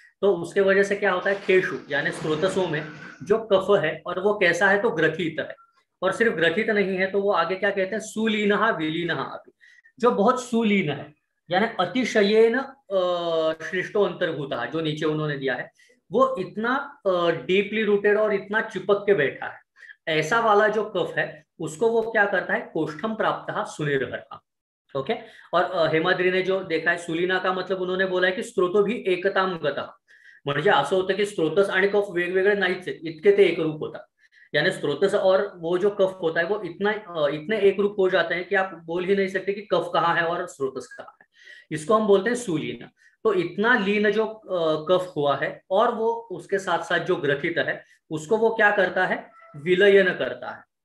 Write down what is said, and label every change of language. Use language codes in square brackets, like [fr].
[hi] तो उसके वजह से क्या होता है, केशु यानी स्रोतसों में जो कफ है और वो कैसा है, तो ग्रथित है, और सिर्फ ग्रथित नहीं है तो वो आगे क्या कहते हैं, [sa] सुलीनः विलीनः अपि, [hi] जो बहुत सुलीन है यानी [sa] अतिशयेन श्रेष्ठो अंतर्भूतः, [hi] जो नीचे उन्होंने दिया है वो इतना डीपली रूटेड और इतना चिपक के बैठा है, ऐसा वाला जो कफ है उसको वो क्या करता है, [sa] कोष्ठम प्राप्तः सुनिर्हरः। [hi] ओके, और हेमाद्री ने जो देखा है सुलीना का मतलब उन्होंने बोला है कि [sa] स्रोतो भी एकताम गतः, [mr] म्हणजे असं होतं की स्त्रोतस आणि कफ वेगवेगळे नाहीच आहेत, इतके ते एक रूप होता. [hi] याने स्त्रोतस और वो जो कफ होता है वो इतना इतने एक रूप हो जाते हैं कि आप बोल ही नहीं सकते कि कफ कहाँ है और स्त्रोतस कहाँ है. इसको हम बोलते हैं सुलीन. तो इतना लीन जो कफ हुआ है और वो उसके साथ साथ जो ग्रथित है उसको वो क्या करता है, विलयन करता है.